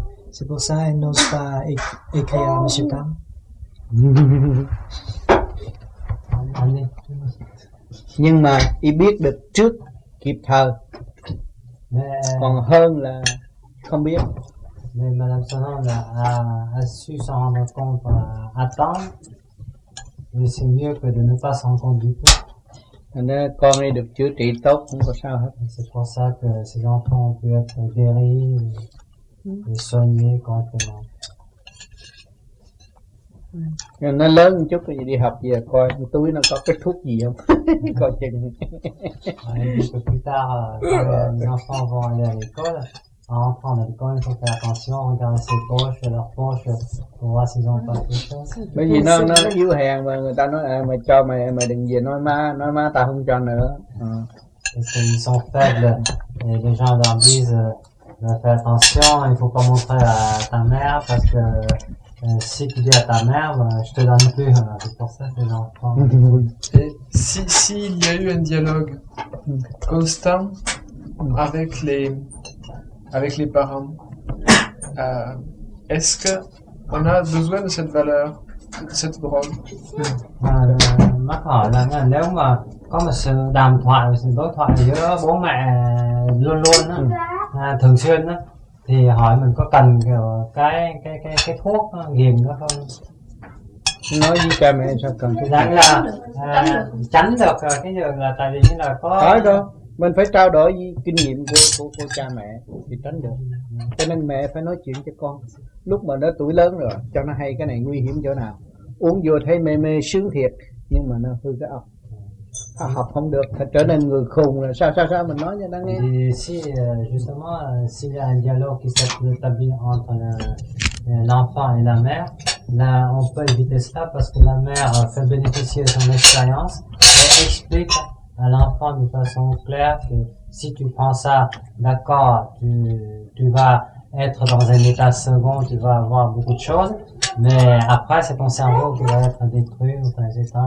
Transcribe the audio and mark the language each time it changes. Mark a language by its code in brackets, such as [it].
[fr] C'est pour ça qu'elle n'ose pas écrire à M. Tam. [vi] Nhưng mà y biết được trước kịp thời còn hơn là không biết. [fr] Mais Madame Sonon a su s'en rendre compte à temps, mais c'est mieux que de ne pas s'en rendre du tout. [vi] Nên con đi được chữa trị tốt không có sao hết. [fr] C'est pour ça que ces enfants ont pu être guéris et soignés correctement. [vi] Nó lớn một chút thì đi học về coi túi nó có cái thuốc gì không coi chừng. [fr] Plus tard, quand les enfants vont aller à l'école, un enfant à l'école il faut faire attention, regarder ses poches, leurs poches pour voir s'ils ont pas quelque chose. [vi] Bởi vì nó yếu hèn mà người ta nói mày cho mày đừng về nói má ta không cho nữa. [fr] Ils sont faibles et les gens leur disent de faire attention, il faut pas montrer à ta mère parce que si tu dis à ta mère, je te donne plus. Hein. C'est pour ça que j'en prends. Et si il y a eu un dialogue constant avec les parents, est-ce que on a besoin de cette valeur, de cette drogue? [vi] Má hỏi là nếu mà có một sự đàm thoại, sự đối thoại giữa bố mẹ luôn luôn á, thường xuyên á. Thì hỏi mình có cần cái thuốc nghiền đó không? Nói với cha mẹ sao cần thuốc nghiền? Là tránh được cái đường là tại vì như là có... Thôi thôi, mình phải trao đổi với kinh nghiệm của cha mẹ thì tránh được. Cho nên mẹ phải nói chuyện cho con. Lúc mà nó tuổi lớn rồi, cho nó hay cái này nguy hiểm chỗ nào. Uống vừa thấy mê sướng thiệt, nhưng mà nó hư cái ốc. học không được, thật trở nên người khùng là sao sao sao mình nói cho nó nghe. [fr] Thì si justement si y a un dialogue qui s'est établi entre l'enfant et la mère, là on peut éviter cela parce que la mère fait bénéficier son expérience et explique à l'enfant de façon claire que si tu prends ça, d'accord, tu vas être dans un état second, tu vas avoir beaucoup de choses, mais après c'est ton cerveau qui va être détruit ou etc.